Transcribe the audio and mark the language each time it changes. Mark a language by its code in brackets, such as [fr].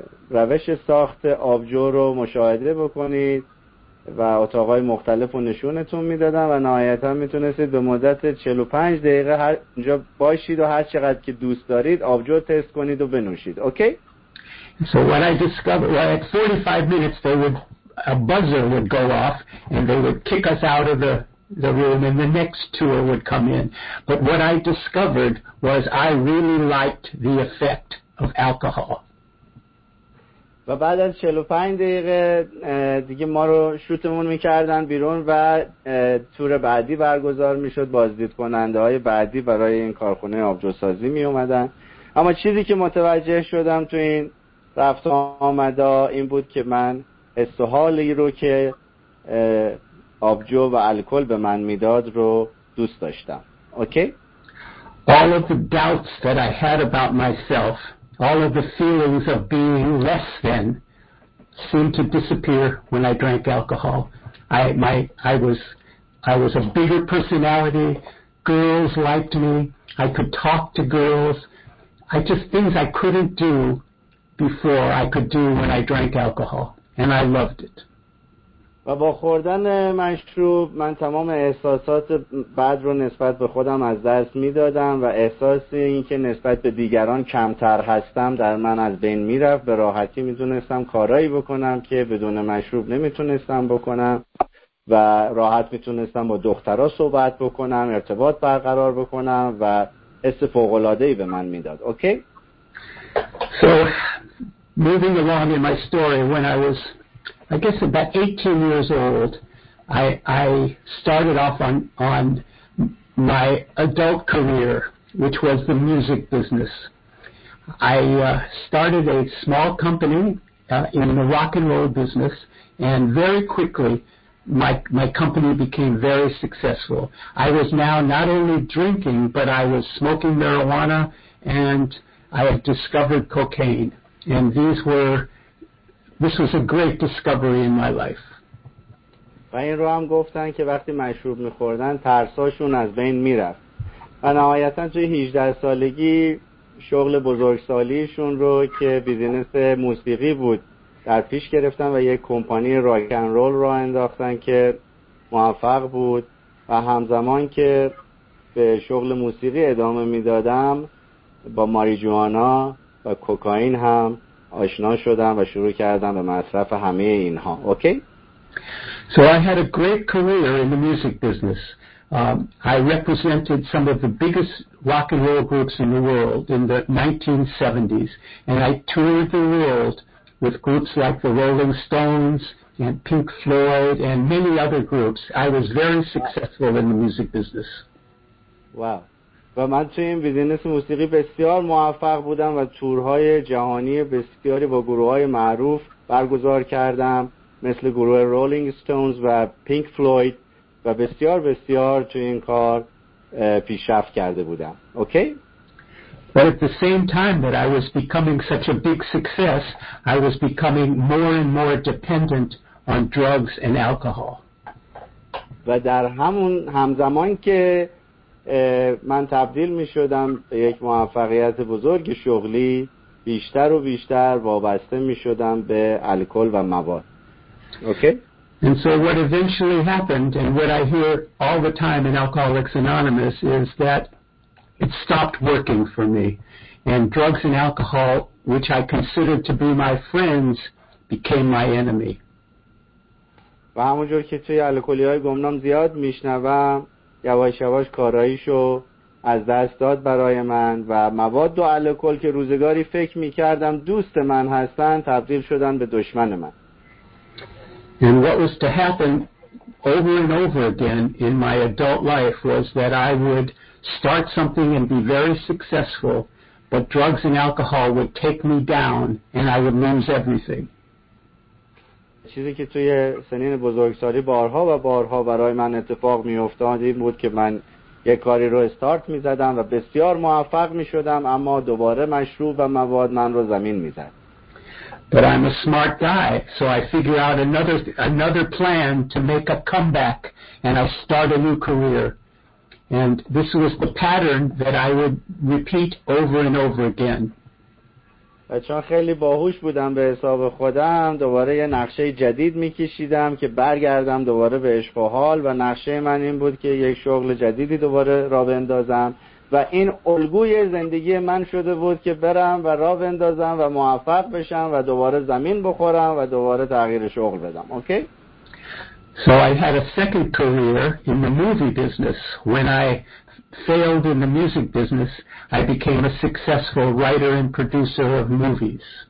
[fa] روش ساخت آبجو رو مشاهده بکنید و اتاقای مختلف رو نشونتون میدادن و نهایتا میتونستید به مدت 45 دقیقه هر اونجا باشید و هر چقدر که دوست دارید آبجو تست کنید و بنوشید. [en] Okay? So when I discovered that at 45 minutes a buzzer would go off and they would kick us out of the room and the next tour would come in. But what I discovered was I really liked the effect of alcohol. [fa] و بعد از 45 دقیقه دیگه ما رو شوتمون میکردن بیرون و تور بعدی برگزار میشد، بازدید کننده های بعدی برای این کارخونه آبجوسازی میومدن. اما چیزی که متوجه شدم تو این رفت آمدا این بود که من حس و حالی رو که آبجو و الکل به من میداد رو دوست داشتم. [en] Okay? All of the doubts that I had about myself, all of the feelings of being less than seemed to disappear when I drank alcohol. I was a bigger personality. Girls liked me. I could talk to girls. I just things I couldn't do before I could do when I drank alcohol, and I loved it. [fa] و با خوردن مشروب من تمام احساسات بد رو نسبت به خودم از دست میدادم و احساس این که نسبت به دیگران کمتر هستم در من از بین میرفت. به راحتی میتونستم کارایی بکنم که بدون مشروب نمیتونستم بکنم و راحت میتونستم با دخترها صحبت بکنم، ارتباط برقرار بکنم و حس فوق‌العاده‌ای به من میداد. [en] Okay? So moving along in my story, when I guess about 18 years old, I started off on my adult career, which was the music business. I started a small company in the rock and roll business, and very quickly my company became very successful. I was now not only drinking, but I was smoking marijuana, and I had discovered cocaine. And this was a great discovery in my life. [fa] و این رو هم گفتن که وقتی مشروب می‌خوردن ترساشون از بین می‌رفت. و نهایتاً توی 18 سالگی شغل بزرگسالیشون رو که بیزینس موسیقی بود در پیش گرفتن و یک کمپانی راک اند رول رو انداختن که موفق بود و همزمان که به شغل موسیقی ادامه می‌دادم با ماریجوانا و کوکائین هم آشنا شدم و شروع کردم به مصرف همه اینها. [en] Okay? So I had a great career in the music business. I represented some of the biggest rock and roll groups in the world in the 1970s, and I toured the world with groups like the Rolling Stones and Pink Floyd and many other groups. I was very successful in the music business. Wow. [fa] و من توی این بیزینس موسیقی بسیار موفق بودم و تورهای جهانی بسیاری با گروه‌های معروف برگزار کردم. مثل گروه رولینگ استونز و پینک فلوید و بسیار بسیار تو این کار پیشرفت کرده بودم. [en] Okay? But at the same time that I was becoming such a big success, I was becoming more and more dependent on drugs and alcohol. [fa] و در همون همزمان که من تبدیل می شدم به یک موفقیت بزرگ شغلی، بیشتر و بیشتر وابسته می شدم به الکل و مواد. [en] Okay. And so what eventually happened, and what I hear all the time in Alcoholics Anonymous, is that it stopped working for me. And drugs and alcohol, which I considered to be my friends, became my enemy. [fa] و همونجور که توی الکلی‌های گمنام زیاد میشنوم، یواش یواش کاراییشو از دست داد برای من و مواد و الکل که روزگاری فکر میکردم دوست من هستن، تبدیل شدن به دشمن من. [en] And what was to happen over and over again in my adult life was that I would start something and be very successful, but drugs and alcohol would take me down and I would lose everything. [fa] چیزی که توی سنین بزرگسالی بارها و بارها برای من اتفاق می افتاد این بود که من یک کاری رو استارت می زدم و بسیار موفق می شدم اما دوباره مشروب و مواد من رو زمین می زد. [en] But I'm a smart guy, so I figure out another plan to make a comeback, and I start a new career. And this was the pattern that I would repeat over and over again. [fa] چون خیلی باهوش بودم به حساب خودم، دوباره یه نقشه جدید می‌کشیدم که برگردم دوباره به عشق و حال و نقشه من این بود که یک شغل جدیدی دوباره راه بندازم. و این الگوی زندگی من شده بود که برم و راه بندازم و موفق بشم و دوباره زمین بخورم و دوباره تغییر شغل بدم. [en] Okay? So I had a second career in the movie business. When I failed in the music business, I became a successful writer and producer of movies.